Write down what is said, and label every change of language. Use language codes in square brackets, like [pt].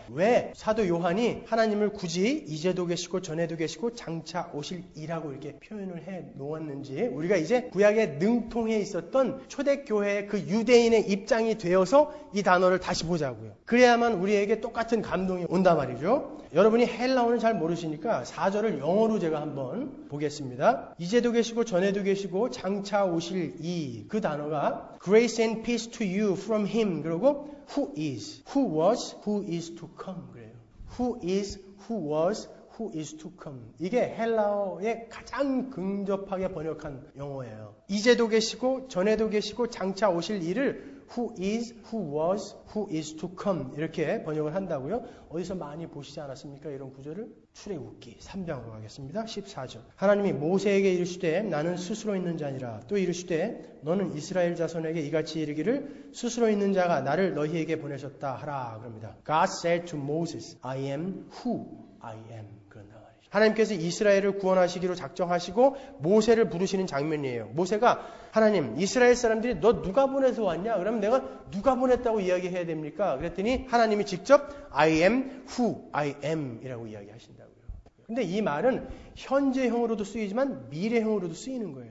[ko] 왜 사도 요한이 하나님을 굳이 이제도 계시고 전에도 계시고 장차 오실 이라고 이렇게 표현을 해놓았는지 우리가 이제 구약의 능통에 있었던 초대교회의 그 유대인의 입장이 되어서 이 단어를 다시 보자고요. 그래야만 우리에게 똑같은 감동이 온다 말이죠. 여러분이 헬라어는 잘 모르시니까 4절을 영어로 제가 한번 보겠습니다. 이제도 계시고 전에도 계시고 장차 오실 이, 그 단어가 [en] grace and peace to you from him, [ko] 그리고 [en] who is, who was, who is to come [ko] 그래요. [en] who is, who was, who is to come. [ko] 이게 헬라어의 가장 근접하게 번역한 영어예요. 이제도 계시고 전에도 계시고 장차 오실 이를 [en] who is, who was, who is to come [ko] 이렇게 번역을 한다고요. 어디서 많이 보시지 않았습니까? 이런 구절을. 출애굽기 3장으로 가겠습니다. 14절. 하나님이 모세에게 이르시되 나는 스스로 있는 자니라. 또 이르시되 너는 이스라엘 자손에게 이같이 이르기를 스스로 있는 자가 나를 너희에게 보내셨다 하라 그럽니다. [en] God said to Moses, I am who I am. [ko] 하나님께서 이스라엘을 구원하시기로 작정하시고 모세를 부르시는 장면이에요. 모세가 하나님, 이스라엘 사람들이 너 누가 보내서 왔냐? 그러면 내가 누가 보냈다고 이야기해야 됩니까? 그랬더니 하나님이 직접 [en] I am who I am [ko] 이라고 이야기하신다고요. 근데 이 말은 현재형으로도 쓰이지만 미래형으로도 쓰이는 거예요.